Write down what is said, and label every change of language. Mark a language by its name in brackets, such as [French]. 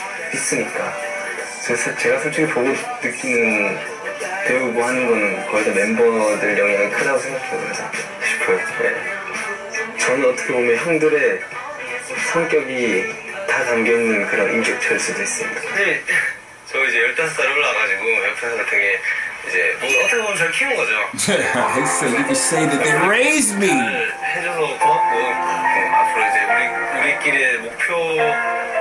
[Korean] 제가 솔직히 보고 느끼는 배우고 하는 거는 거의 다 멤버들 영향이 크다고 생각합니다. 싶어요. 네. 저는 어떻게 보면 형들의 성격이 다 담겨있는 그런 인격체일 수도 있습니다. 네. 저 이제 15살 올라가지고 옆에서 되게 이제 뭐 어떻게 보면 잘 키운 거죠. 네. [English] So you can say that they raised me. [Korean] 해줘서 고맙고 네. 앞으로 이제 우리끼리의 목표